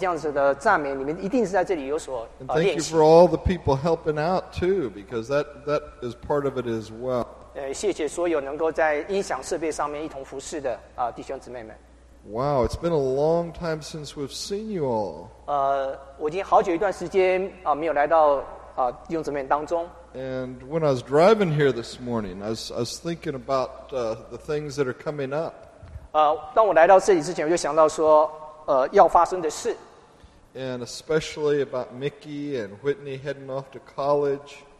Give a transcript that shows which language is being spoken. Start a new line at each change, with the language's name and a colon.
Chinese: 我知道你们不是就是这样子就能够有这样子的赞美，你们一定是在这里有所练习。
English: And thank you for all the people helping out too, because that is part of it as well.
Chinese: 谢谢所有能够在音响设备上面一同服侍的弟兄姊妹们。
English: Wow, it's been a long time since we've seen you all.
Chinese: 我已经好久一段时间没有来到弟兄姊妹当中。
English: And when I was driving here this morning, I was thinking about the things that are coming up.
Chinese: 当我来到这里之前，我就想到说，要发生的事。
English: And especially about Mickey and Whitney heading off to college.